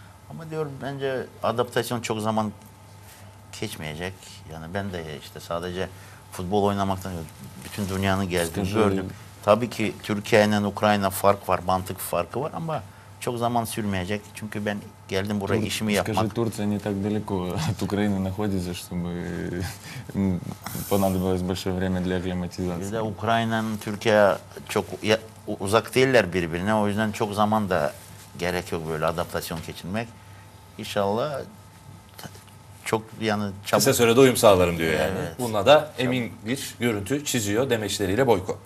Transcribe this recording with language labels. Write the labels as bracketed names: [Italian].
[Turkish] Ama diyor bence adaptasyon çok zaman geçmeyecek. Yani ben de işte sadece futbol oynamaktan bütün dünyanın gezdim, gördüm. Tabii ki Türkiye'nin Ukrayna fark var, mantık farkı var ama çok zaman sürmeyecek. Çünkü ben geldim buraya işimi yapmak. [Russian] Скажи, Турция не так далеко от Украины находится, чтобы понадобилось большое время для акклиматизации. [Turkish] Да, Украина'nın Türkiye çok uzak değiller birbirine. O yüzden çok zaman da gerek yok böyle adaptasyon geçirmek. İnşallah çok yani çabuk. Kısa sürede uyum sağlarım diyor yani. Evet. Buna da emin bir görüntü çiziyor demeçleriyle Boyko.